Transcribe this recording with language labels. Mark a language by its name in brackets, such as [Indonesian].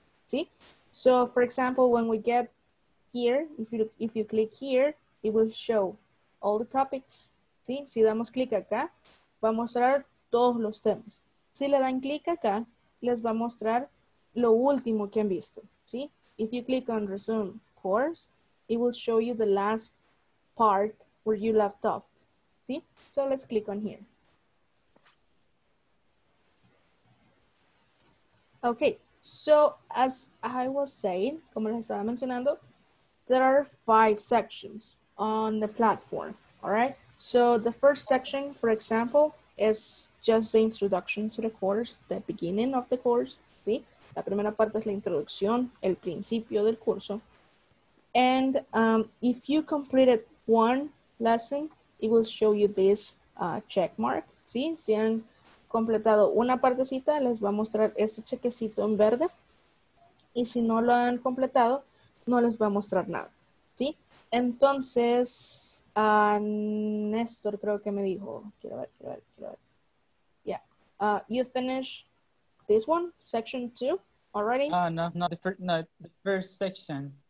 [English] ¿Sí? So, for example, when we get here, if you click here, it will show all the topics. ¿Sí? [Spanish] Si damos clic acá, va a mostrar todos los temas. Si le dan clic acá, les va a mostrar lo último que han visto. ¿Sí? [English] If you click on resume course, it will show you the last part where you left off. ¿Sí? So let's click on here. Okay, so as I was saying, como les estaba mencionando, there are 5 sections on the platform. All right, so the first section, for example, is just the introduction to the course, the beginning of the course. ¿Sí? [Spanish] La primera parte es la introducción, el principio del curso. [English] And if you completed one lesson, it will show you this check mark. ¿Sí? [Spanish] Si han completado una partecita, les va a mostrar ese chequecito en verde. Y si no lo han completado, no les va a mostrar nada. ¿Sí? Entonces, Néstor creo que me dijo. Quiero ver. Yeah. [English] You finish this one, section two, already? No, not the first, no, the first section.